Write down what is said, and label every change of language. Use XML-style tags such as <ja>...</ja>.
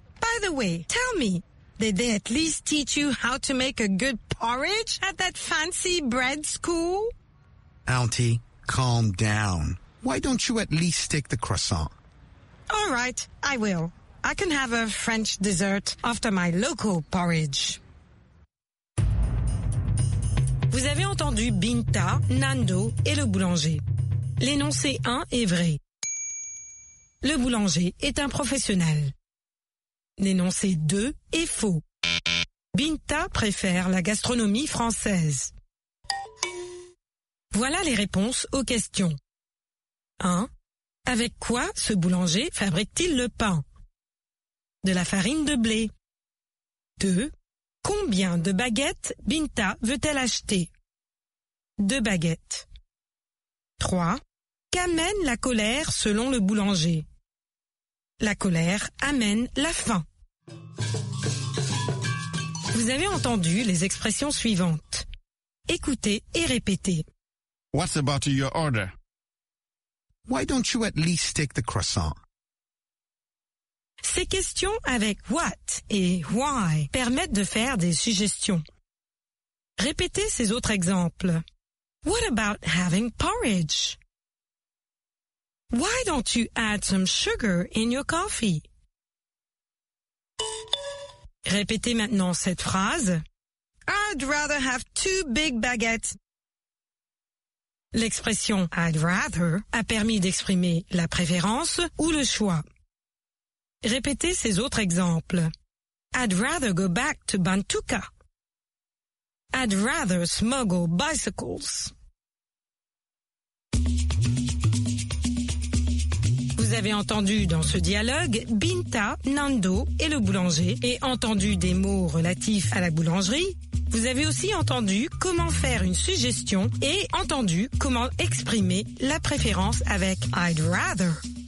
<en>By the way, tell me, did they at least teach you how to make a good porridge at that fancy bread school? Auntie, calm down. Why don't you at least stick the croissant? All right, I will. I can have a French dessert after my local porridge.</en> <fr>Vous avez entendu Binta, Nando et le boulanger. L'énoncé 1 est vrai. Le boulanger est un professionnel. L'énoncé 2 est faux. Binta préfère la gastronomie française. Voilà les réponses aux questions. 1. Avec quoi ce boulanger fabrique-t-il le pain? De la farine de blé. 2. Combien de baguettes Binta veut-elle acheter? 2 baguettes. 3. Qu'amène la colère selon le boulanger? La colère amène la faim. Vous avez entendu les expressions suivantes. Écoutez et répétez.</fr> <en>What's about your order? Why don't you at least take the croissant?</en> <fr>Ces questions avec what et why permettent de faire des suggestions. Répétez ces autres exemples.</fr> <en>What about having porridge? Why don't you add some sugar in your coffee?</en> <fr>Répétez maintenant cette phrase.</fr> <en>I'd rather have 2 big baguettes.</en> <fr>L'expression</fr> <en>I'd rather</en> <fr>a permis d'exprimer la préférence ou le choix. Répétez ces autres exemples.</fr> <en>I'd rather go back to Bantuka. I'd rather smuggle bicycles.</en> <fr>vous avez entendu dans ce dialogue, Binta, Nando et le boulanger, et entendu des mots relatifs à la boulangerie, vous avez aussi entendu comment faire une suggestion et entendu comment exprimer la préférence avec «</fr> <en>I'd rather ».</en>